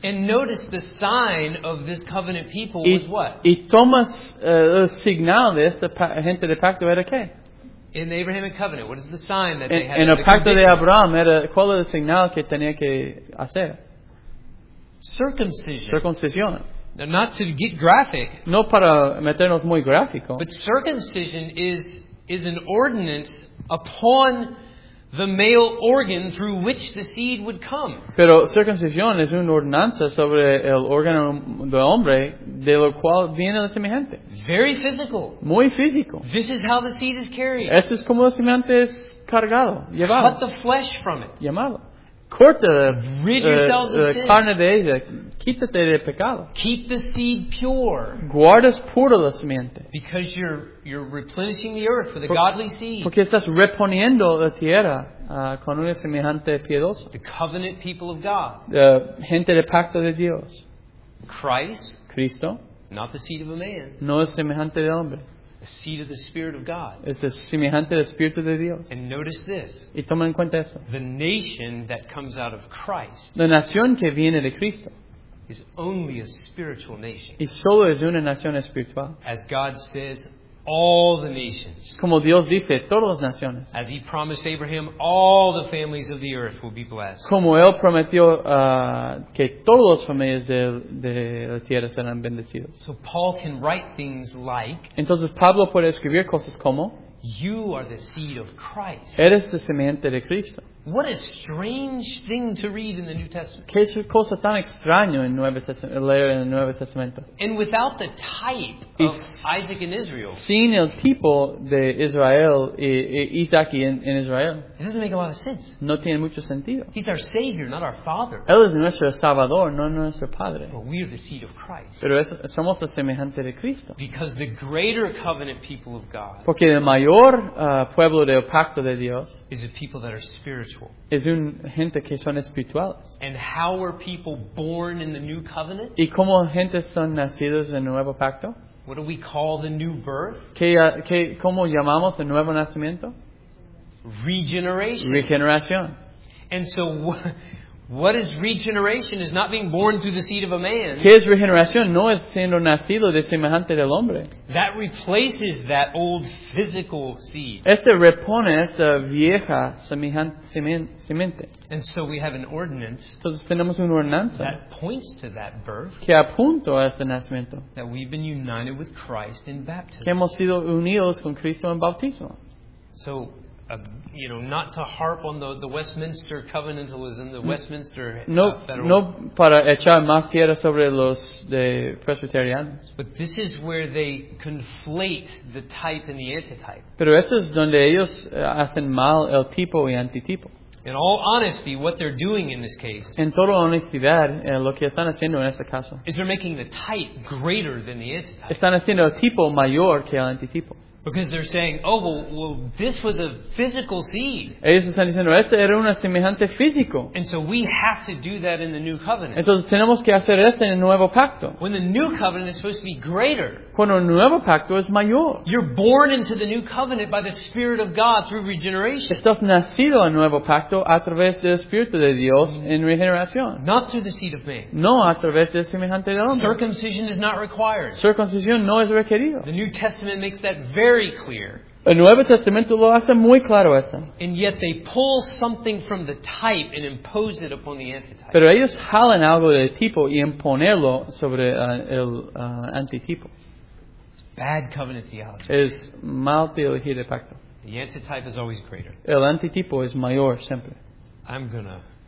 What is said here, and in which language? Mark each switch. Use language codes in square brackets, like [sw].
[en] And notice the sign of this covenant people was what? [es] Y tomas el signal de esta gente de pacto era qué? [en] In the Abrahamic covenant, what is the sign that they had? [es] En el pacto de Abraham, ¿cuál era el signal que tenía que hacer? [en] Circumcision. [es] Circuncisión. [en] Now, not to get graphic. [es] No para meternos muy gráfico. [en] But circumcision is an ordinance upon the male organ through which the seed would come. [es] Pero circuncisión es una ordenanza sobre el órgano del hombre de lo cual viene la semejante. [en] Very physical. [es] Muy físico. [en] This is how the seed is carried. [es] Esto es como la semejante es cargado, llevado. [en] Cut the flesh from it. [es] Llamado. Corta la carne de ella. Quítate de pecado. [en] Keep the seed pure. [es] Guardas puro la semente. [en] Because you're replenishing the earth with a godly seed. [es] Porque estás reponiendo la tierra con una semejante piedosa. [en] The covenant people of God. [es] La gente de pacto de Dios. [en] Christ. [es] Cristo. [en] Not the seed of a man. [es] No es semejante del hombre. [en] The seed of the Spirit of God. [es] Es el semejante del Espíritu de Dios. [en] And notice this. [es] Y toma en cuenta eso. [en] The nation that comes out of Christ. [es] La nación que viene de Cristo. [en] Is only a spiritual nation. [es] Y solo es una nación espiritual. [en] As God says, all the nations. [es] Como Dios dice, todas las naciones. [en] As He promised Abraham, all the families of the earth will be blessed. [es] Como él prometió que todas las familias de la tierra serán bendecidas. [en] So Paul can write things like. [es] Entonces Pablo puede escribir cosas como. [en] You are the seed of Christ. [es] Eres la semente de Cristo. [en] What a strange thing to read in the New Testament. [es] Qué es cosa tan extraño en leer en el Nuevo Testamento. [en] And without the type of Isaac and Israel. [es] Sin el tipo de Israel, Isaac y en Israel. [en] It doesn't make a lot of sense. [es] No tiene mucho sentido. [en] He's our Savior, not our Father. [es] Él es nuestro Salvador, no nuestro Padre. [en] But we are the seed of Christ. [es] Pero somos la semejante de Cristo. [en] Because the greater covenant people of God. [es] Porque el mayor pueblo del pacto de Dios. [en] Is a people that are spiritual. [es] Es un gente que son espirituales. [en] And how were people born in the new covenant? [es] ¿Y cómo gente son nacidos en el nuevo pacto? [en] What do we call the new birth? [es] ¿Cómo llamamos el nuevo nacimiento? [en] Regeneration. And so what is regeneration? Is not being born through the seed of a man. [es] ¿Qué es regeneración? No es siendo nacido de semejante del hombre. [en] That replaces that old physical seed. [es] Este repone esta vieja semente. [en] And so we have an ordinance. [es] Entonces tenemos una ordenanza. [en] That points to that birth. [es] Que apunta a este nacimiento. [en] That we've been united with Christ in baptism. [es] Que hemos sido unidos con Cristo en bautismo. [en] So. You know, not to harp on the Westminster covenantalism, the Westminster federal. [es] No para echar más piedra sobre los de presbiterianos. [en] But this is where they conflate the type and the antitype. [es] Pero esto es donde ellos hacen mal el tipo y antitipo. [en] In all honesty, what they're doing in this case. [es] En toda honestidad, lo que están haciendo en este caso. [en] Is they're making the type greater than the antitype. [es] Están haciendo el tipo mayor que el antitipo. [en] Because they're saying, oh, well, this was a physical seed. [es] Ellos están diciendo, este era un semejante físico. [en] And so we have to do that in the new covenant. [es] Entonces tenemos que hacer esto en el nuevo pacto. [en] When the new covenant is supposed to be greater. [es] Cuando el nuevo pacto es mayor. [en] You're born into the new covenant by the Spirit of God through regeneration. [es] Estás nacido al nuevo pacto a través del Espíritu de Dios en regeneración. [en] Not through the seed of man. [es] No a través del semejante del hombre. [en] Circumcision is not required. [es] Circuncisión no es requerido. [en] The New Testament makes that very clear. [es] El Nuevo Testamento lo hace muy claro eso. [en] And yet they pull something from the type and impose it upon the antitype. [es] Pero ellos jalan algo del tipo y imponerlo sobre el antitipo. [en] Bad covenant theology. [es] Es mal teología de pacto. [en] The antitype is always greater. [es] El antitipo es mayor siempre. [en] I'm gonna